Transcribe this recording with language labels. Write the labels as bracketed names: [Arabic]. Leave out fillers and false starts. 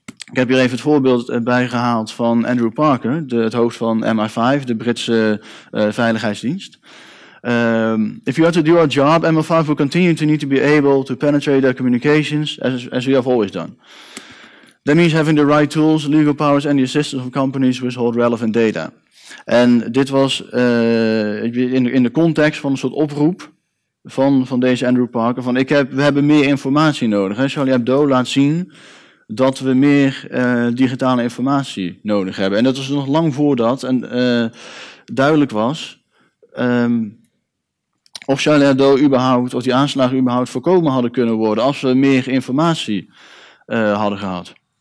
[Dutch] Ik heb hier even het voorbeeld bijgehaald van Andrew Parker, het hoofd van MI5, de Britse veiligheidsdienst. [English] If you are to do our job, MI5 will continue to need to be able to penetrate their communications as we have always done. That means having the right tools, legal powers and the assistance of companies which hold relevant data. [Dutch] En dit was in de context van een soort oproep van deze Andrew Parker. Van we hebben meer informatie nodig. Hè. Charlie Hebdo laat zien dat we meer digitale informatie nodig hebben. En dat was nog lang voordat en duidelijk was of Charlie Hebdo überhaupt, of die aanslagen überhaupt voorkomen hadden kunnen worden als we meer informatie hadden gehad.